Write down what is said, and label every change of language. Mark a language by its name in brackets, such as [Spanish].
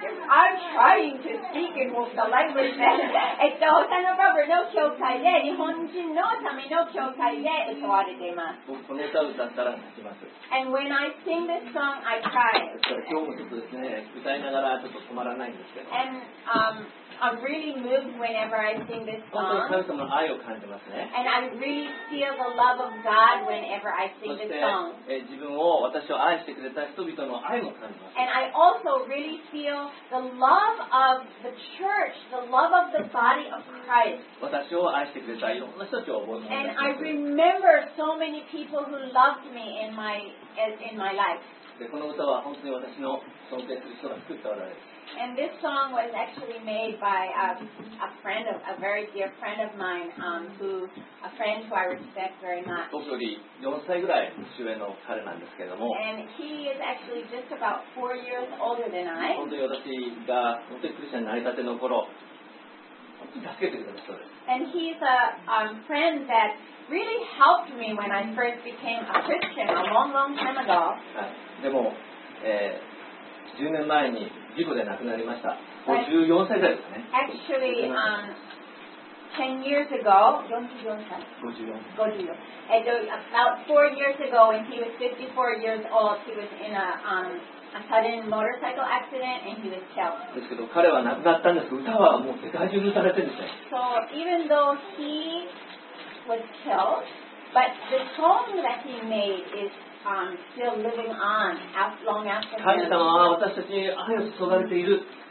[English] I'm trying to speak in the language that [Japanese] サンドバーバーの教会で日本人のための教会で歌われています。僕この歌を歌ったら泣きます。 [English] And when I sing this song, I cry. [Japanese] 今日もちょっとですね、歌いながらちょっと止まらないんですけど。 [English] And I'm really moved whenever I sing this song. [Japanese] 本当に神様の愛を感じますね。 [English] And I really feel the love of God whenever I sing this song. [Japanese] そして自分を、私を愛してくれた人々の愛も感じます。 [English] And I also really feel the love of the church, the love of the body of Christ. [Japanese] 私を愛してくれたいろんな人たちを覚えます。 [English] And I remember so many people who loved me in my life. [Japanese] でこの歌は本当に私の尊敬する人が作った歌です。 [English] And this song was actually made by a very dear friend of mine, a friend who I respect very much. [Japanese] 僕より4歳ぐらい年上の彼なんですけども。 [English] And he is actually just about 4 years older than I. [Japanese] 本当に私が本当にクリスチャンになりたての頃、本当に助けてくれた人です。 [English] And he's a friend that really helped me when I first became a Christian a long, long time ago. [Japanese] でも、10年前に事故で亡くなりました。 54歳ですね。 [English] Actually, 10 years ago, [Japanese] 54歳。 [English] About 4 years ago, when he was 54 years old, he was in a sudden motorcycle accident and he was killed. [Japanese] ですけど彼は亡くなったんですけど、歌はもう世界中に歌われてるんですね。 [English] So even though he was killed, but the song that he made is still living on long after him. [Japanese] 神様は私たちに愛を注がれている。